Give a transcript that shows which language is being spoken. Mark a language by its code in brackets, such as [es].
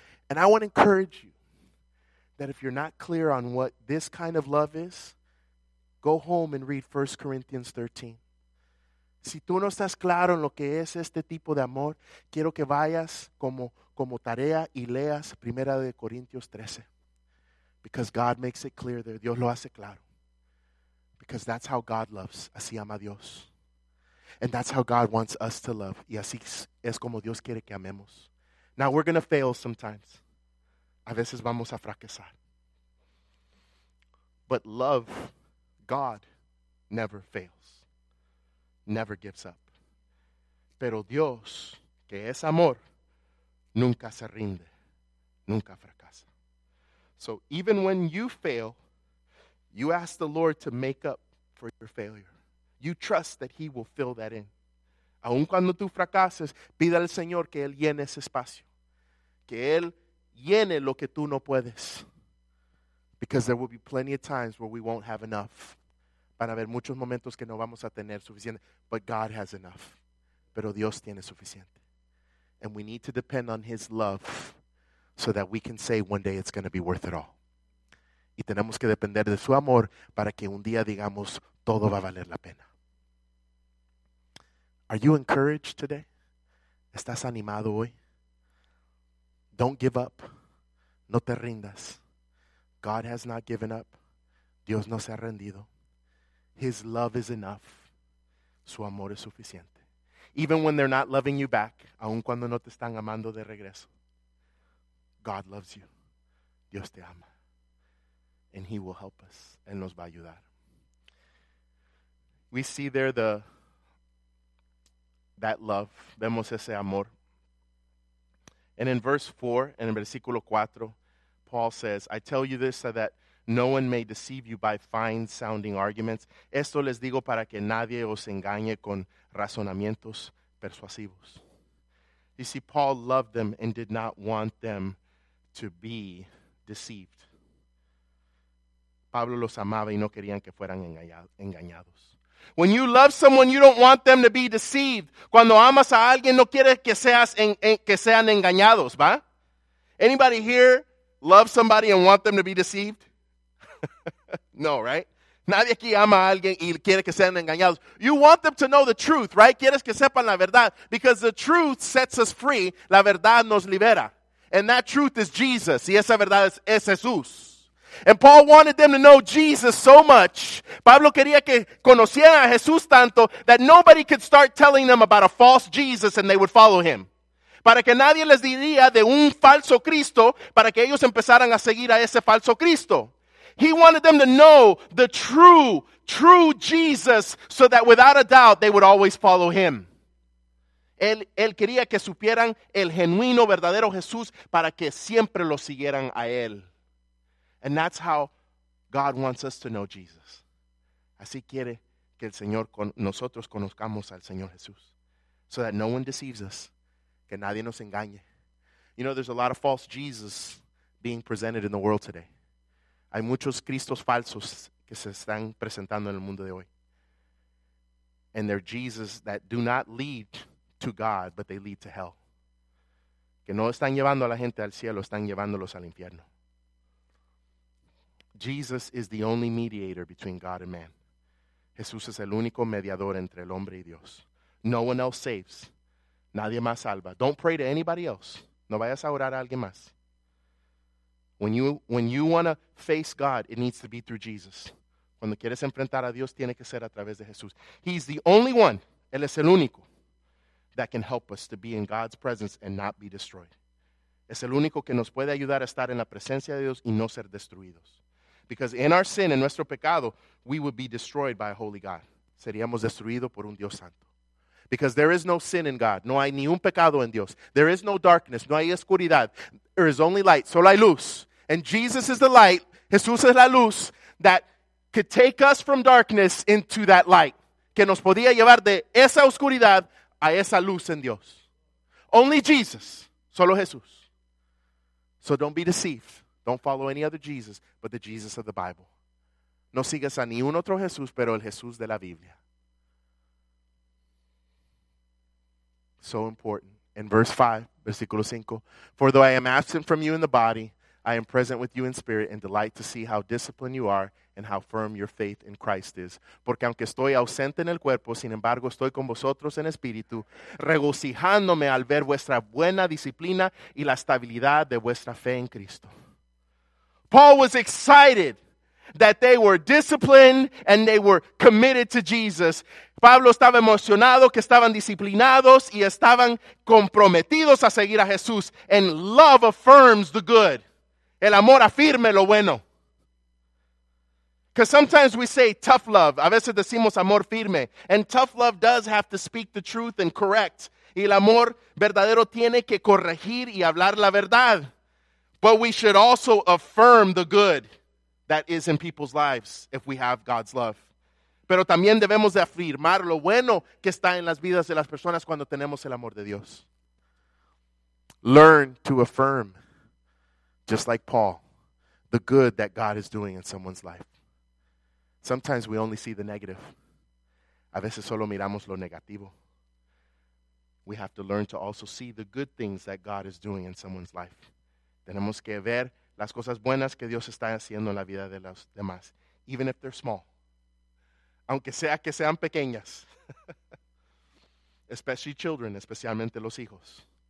[en] And I want to encourage you that if you're not clear on what this kind of love is, go home and read 1 Corinthians 13. [es] Si tú no estás claro en lo que es este tipo de amor, quiero que vayas como tarea y leas 1 Corintios 13. [en] Because God makes it clear there. [es] Dios lo hace claro. [en] Because that's how God loves. [es] Así ama Dios. [en] And that's how God wants us to love. [es] Y así es como Dios quiere que amemos. [en] Now we're going to fail sometimes. [es] A veces vamos a fracasar. [en] But love, God, never fails. Never gives up. [es] Pero Dios, que es amor, nunca se rinde. Nunca fracasa. [en] So even when you fail, you ask the Lord to make up for your failure. You trust that he will fill that in. [es] Aun cuando tú fracases, pide al Señor que él llene ese espacio. Que él llene lo que tú no puedes. [en] Because there will be plenty of times where we won't have enough. [es] Van a haber muchos momentos que no vamos a tener suficiente. [en] But God has enough. [es] Pero Dios tiene suficiente. [en] And we need to depend on his love so that we can say one day it's going to be worth it all. [es] Y tenemos que depender de su amor para que un día digamos, todo va a valer la pena. [en] Are you encouraged today? [es] ¿Estás animado hoy? [en] Don't give up. [es] No te rindas. [en] God has not given up. [es] Dios no se ha rendido. [en] His love is enough. [es] Su amor es suficiente. [en] Even when they're not loving you back, [es] aun cuando no te están amando de regreso, [en] God loves you. [es] Dios te ama. [en] And he will help us. [es] Él nos va a ayudar. [en] We see there that love. [es] Vemos ese amor. [en] And in verse 4, [es] en el versículo 4, [en] Paul says, I tell you this so that no one may deceive you by fine-sounding arguments. [es] Esto les digo para que nadie os engañe con razonamientos persuasivos. [en] You see, Paul loved them and did not want them to be deceived. [es] Pablo los amaba y no querían que fueran engañados. [en] When you love someone, you don't want them to be deceived. [es] Cuando amas a alguien, no quieres que sean engañados, ¿va? [en] Anybody here love somebody and want them to be deceived? No, right? [es] Nadie aquí ama a alguien y quiere que sean engañados. [en] You want them to know the truth, right? [es] Quieres que sepan la verdad. [en] Because the truth sets us free. [es] La verdad nos libera. [en] And that truth is Jesus. [es] Y esa verdad es Jesús. [en] And Paul wanted them to know Jesus so much. [es] Pablo quería que conocieran a Jesús tanto [en] that nobody could start telling them about a false Jesus and they would follow him. [es] Para que nadie les diría de un falso Cristo, para que ellos empezaran a seguir a ese falso Cristo. [en] He wanted them to know the true, true Jesus so that without a doubt they would always follow him. [es] Él quería que supieran el genuino, verdadero Jesús para que siempre lo siguieran a él. [en] And that's how God wants us to know Jesus. [es] Así quiere que el Señor con nosotros conozcamos al Señor Jesús. [en] So that no one deceives us. [es] Que nadie nos engañe. [en] You know, there's a lot of false Jesus being presented in the world today. [es] Hay muchos Cristos falsos que se están presentando en el mundo de hoy. [en] And they're Jesus that do not lead to God, but they lead to hell. [es] Que no están llevando a la gente al cielo, están llevándolos al infierno. [en] Jesus is the only mediator between God and man. [es] Jesús es el único mediador entre el hombre y Dios. [en] No one else saves. [es] Nadie más salva. [en] Don't pray to anybody else. [es] No vayas a orar a alguien más. [en] When you want to face God, it needs to be through Jesus. [es] Cuando quieres enfrentar a Dios, tiene que ser a través de Jesús. [en] He's the only one, [es] él es el único, [en] that can help us to be in God's presence and not be destroyed. [es] Es el único que nos puede ayudar a estar en la presencia de Dios y no ser destruidos. [en] Because in our sin, [es] en nuestro pecado, [en] we would be destroyed by a holy God. [es] Seríamos destruidos por un Dios santo. [en] Because there is no sin in God. [es] No hay ni un pecado en Dios. [en] There is no darkness. [es] No hay oscuridad. [en] There is only light. [es] Solo hay luz. [en] And Jesus is the light. [es] Jesús es la luz [en] that could take us from darkness into that light. [es] Que nos podía llevar de esa oscuridad a esa luz en Dios. [en] Only Jesus. [es] Solo Jesús. [en] So don't be deceived. Don't follow any other Jesus but the Jesus of the Bible. [es] No sigas a ni un otro Jesús, pero el Jesús de la Biblia. [en] So important. In verse 5, [es] versículo 5, [en] for though I am absent from you in the body, I am present with you in spirit and delight to see how disciplined you are and how firm your faith in Christ is. [es] Porque aunque estoy ausente en el cuerpo, sin embargo estoy con vosotros en espíritu, regocijándome al ver vuestra buena disciplina y la estabilidad de vuestra fe en Cristo. [en] Paul was excited that they were disciplined and they were committed to Jesus. [es] Pablo estaba emocionado que estaban disciplinados y estaban comprometidos a seguir a Jesús. [en] And love affirms the good. [es] El amor afirma lo bueno. [en] Because sometimes we say tough love. [es] A veces decimos amor firme. [en] And tough love does have to speak the truth and correct. [es] Y el amor verdadero tiene que corregir y hablar la verdad. [en] But we should also affirm the good that is in people's lives if we have God's love. [es] Pero también debemos de afirmar lo bueno que está en las vidas de las personas cuando tenemos el amor de Dios. [en] Learn to affirm, just like Paul, the good that God is doing in someone's life. Sometimes we only see the negative. [es] A veces solo miramos lo negativo. [en] We have to learn to also see the good things that God is doing in someone's life. [es] Tenemos que ver las cosas buenas que Dios está haciendo en la vida de los demás, [en] even if they're small, [es] aunque sea que sean pequeñas, [en] especially children, [es] especialmente los hijos.